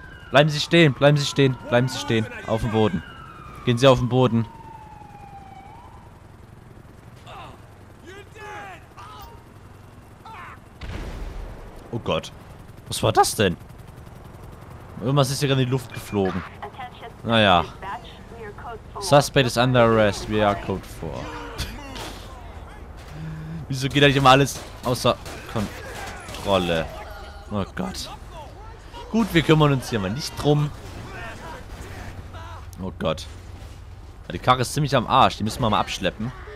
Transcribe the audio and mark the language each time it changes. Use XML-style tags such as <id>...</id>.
<de>Bleiben Sie stehen! Bleiben Sie stehen! Bleiben Sie stehen! Auf dem Boden. Gehen Sie auf den Boden. Oh Gott, was war das denn? Irgendwas ist hier in die Luft geflogen. Naja.</de> <en>Suspect is under arrest, we are code 4.</en> <de>Wieso geht eigentlich immer alles außer Kontrolle? Oh Gott. Gut, wir kümmern uns hier mal nicht drum. Oh Gott. Die Karre ist ziemlich am Arsch, die müssen wir mal abschleppen.</de>